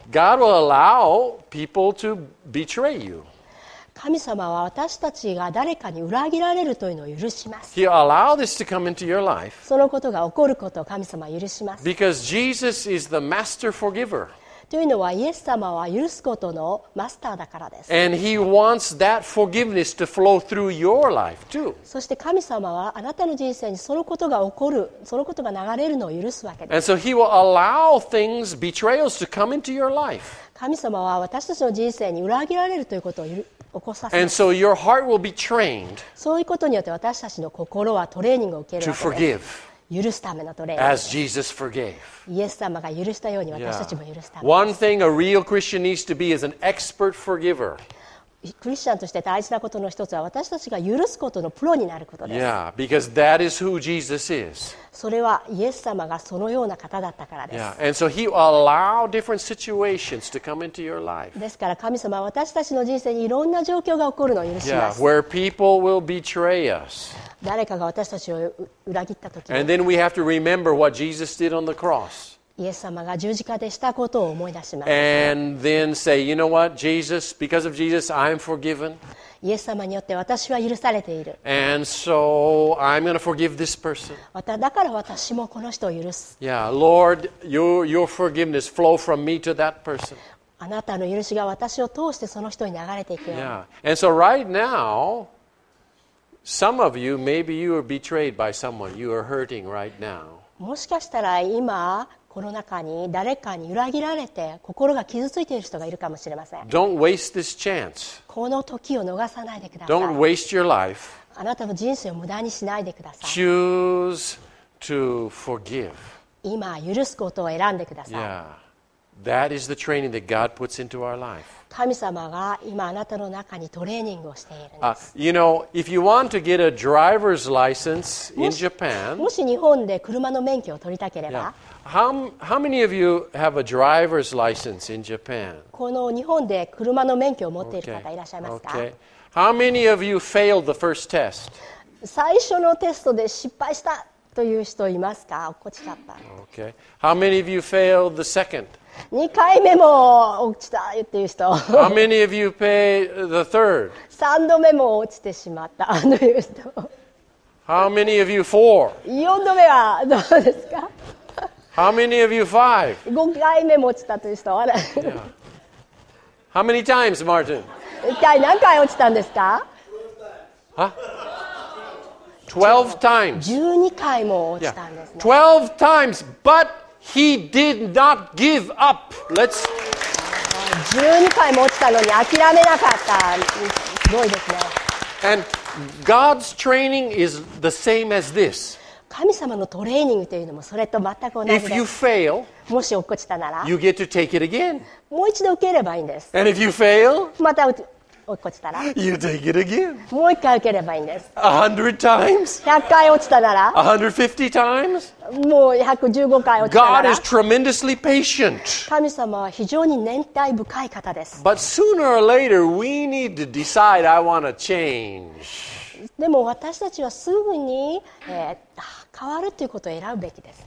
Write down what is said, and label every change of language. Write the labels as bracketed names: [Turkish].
[English] God will allow people to betray you. [Japanese] 神様は私たちが誰かに裏切られるというのを許します。 [English] He'll allow this to come into your life. [Japanese] そのことが起こることを神様は許します。 [English] Because Jesus is the master forgiver. [Japanese] というのはイエス様は許すことのマスターだからです。 [English] And he wants that forgiveness to flow through your life too. [Japanese] そして神様はあなたの人生にそのことが起こる、そのことが流れるのを許すわけです。 [English] And so he will allow things, betrayals to come into your life. [Japanese] 神様は私たちの人生に裏切られるということを起こさせます。 [English] And so your heart will be trained. [Japanese] そういうことによって私たちの心はトレーニングを受けるわけです。 [English] To forgive. [Japanese] 許すためのトレーニング。 [English] As Jesus forgave. [Japanese] イエス様が許したように私たちも許すためです。 Yeah. [English] One thing a real Christian needs to be is an expert forgiver. [Japanese] クリスチャンとして大事なことの一つは私たちが許すことのプロになることです。 [English] Yeah, because that is who Jesus is. [Japanese] それはイエス様がそのような方だったからです。 Yeah. [English] And so he will allow different situations to come into your life. [Japanese] ですから神様は私たちの人生にいろんな状況が起こるのを許します。 [English] Yeah, where people will betray us. [Japanese] 誰かが私たちを裏切った時。 [English] And then we have to remember what Jesus did on the cross. [Japanese] イエス様が十字架でしたことを思い出します。 [English] And then say, you know what, Jesus, because of Jesus, I'm forgiven. [Japanese] イエス様によって私は許されている。 [English] And so I'm going to forgive this person. [Japanese] だから私もこの人を許す。 [English] Yeah, Lord, your forgiveness flow from me to that person. [Japanese] あなたの許しが私を通してその人に流れていくように。 [English] Yeah, and so right now,Some of you, maybe you are betrayed by someone. You are hurting right now. [Japanese] もしかしたら今この中に誰かに裏切られて心が傷ついている人がいるかもしれません。 [English] Don't waste this chance. [Japanese] この時を逃さないでください。 [English] Don't waste your life. [Japanese] あなたの人生を無駄にしないでください。 [English] Choose to forgive. [Japanese] 今許すことを選んでください。 Yeah. [English] That is the training that God puts into our life. [Japanese] 神様が今あなたの中にトレーニングをしているんです。 [English] You know, if you want to get a driver's license in Japan, [Japanese] もし日本で車の免許を取りたければ、 yeah. [English] how many of you have a driver's license in Japan? [Japanese] この日本で車の免許を持っている方いらっしゃいますか? Okay. [English] How many of you failed the first test? [Japanese] 最初のテストで失敗したという人いますか? 落っこちちゃった。 Okay. [English] How many of you failed the second? [Japanese] 2回目も落ちたっていう人。 [English] How many of you pay the third? [Japanese] 3度目も落ちてしまったあの人。 [English] How many of you four? [Japanese] 4度目はどうですか? [English] How many of you five? [Japanese] 5回目も落ちたという人。あれ。 [English] How many times, Martin? [Japanese] 一体何回落ちたんですか? [English] Twelve times. [Japanese] 12回も落ちたんですね。 [English] Twelve times, but. He did not give up. Let's. [Japanese] 12回も落ちたのに諦めなかった。すごいですね。 [English] And God's training is the same as this. [Japanese] 神様のトレーニングというのもそれと全く同じです。 [English] If you fail, [Japanese] もし落っこちたなら、 [English] you get to take it again. [Japanese] もう一度受ければいいんです。 [English] And if you fail, [Japanese] また落っこちたら [English] You take it again. [Japanese] もう一回受ければいいんです。 [English] 100 times? [Japanese] 100回落ちたなら [English] 150 times? [Japanese] もう115回落ちたなら [English] God is tremendously patient. [Japanese] 神様は非常に忍耐深い方です。 [English] But sooner or later, we need to decide I want to change. [Japanese] でも私たちはすぐに、変わるということを選ぶべきです。